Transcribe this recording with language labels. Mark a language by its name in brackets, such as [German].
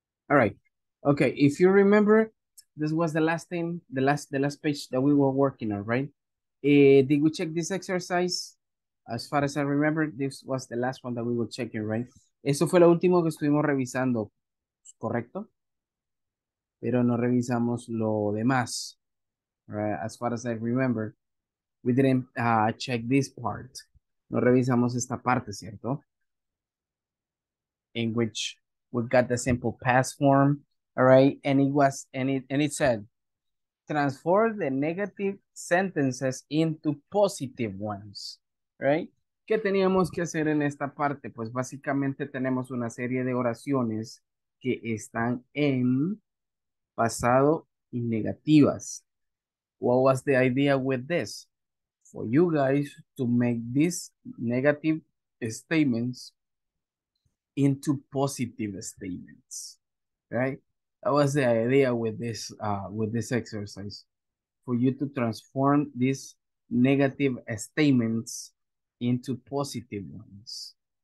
[English] All right, okay, if you remember, this was the last thing, the last page that we were working on, right? Did we check this exercise? As far as I remember, this was the last one that we were checking, right? [Spanish] Eso fue lo último que estuvimos revisando, ¿correcto? Pero no revisamos lo demás, [English] right? As far as I remember, we didn't check this part. [Spanish] No revisamos esta parte, ¿cierto? [English] In which we got the simple past form, all right? And it said, transform the negative sentences into positive ones, right? [Spanish] ¿Qué teníamos que hacer en esta parte? Pues básicamente tenemos una serie de oraciones que están en pasado y negativas. [English] What was the idea with this? For you guys to make these negative statements into positive statements, right? That was the idea with this exercise, for you to transform these negative statements into positive ones.